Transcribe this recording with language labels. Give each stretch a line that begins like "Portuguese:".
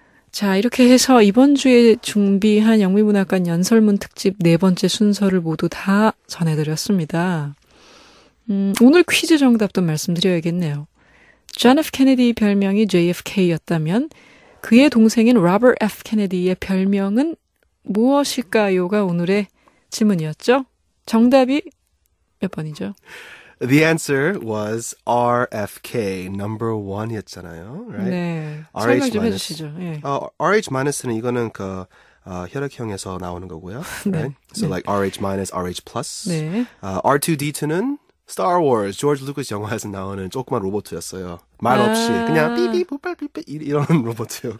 Korean: 자, 이렇게 해서 이번 주에 준비한 영미문학관 연설문 특집 네 번째 순서를 모두 다 전해드렸습니다. 오늘 퀴즈 정답도 말씀드려야겠네요. John F. Kennedy 별명이 JFK였다면 그의 동생인 Robert F. Kennedy의 별명은 무엇일까요?가 오늘의 질문이었죠. 정답이 몇 번이죠?
English: The answer was RFK, number one이었잖아요. Right?
Korean: 네, 설명 좀 해주시죠. 네. RH-는 이거는 그 혈액형에서 나오는 거고요.
English: 네. Right? So 네. like RH-, RH+.
Korean: 네. R2-D2는 Star Wars, George Lucas 영화에서 나오는 조그만 로봇이었어요. 말 없이 그냥 삐삐뿌빨삐삐 이런 로봇이었고.